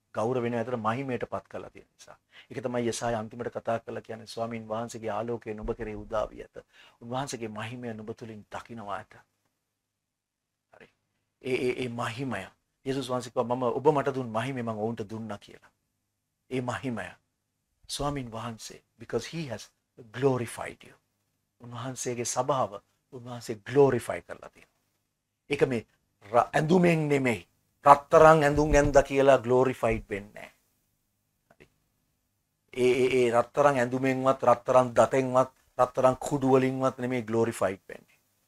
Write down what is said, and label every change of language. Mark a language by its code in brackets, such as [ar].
[si] ගෞරව වෙන ඇතර මහිමයටපත් කළා තියෙන නිසා. ඒක තමයි යසාය අන්තිමට කතා කරලා කියන්නේ, ස්වාමීන් වහන්සේගේ ආලෝකය නුඹ කෙරෙහි උදා වී ඇත. උන්වහන්සේගේ මහිමය නුඹ තුලින් දකින්නවා ඇත. හරි. ඒ මහිමය. යේසුස් වහන්සේ කිව්වා මම ඔබ මට දුන් මහිමය මම ඔවුන්ට දුන්නා කියලා. ඒ මහිමය. ස්වාමීන් වහන්සේ [en] because he has glorified you. [si] උන්වහන්සේගේ සභාව උන්වහන්සේ ග්ලෝරිෆයි කරලා තියෙනවා. ඒක මේ ඇඳුමෙන් නෙමෙයි. රත්තරන් ඇඳුම් ඇඳ කියලා ග්ලෝරිෆයිඩ් වෙන්නේ නැහැ. ඒ රත්තරන් ඇඳුමෙන්වත්, රත්තරන් දතෙන්වත්, රත්තරන් කුඩු වලින්වත් නෙමෙයි ග්ලෝරිෆයිඩ් වෙන්නේ.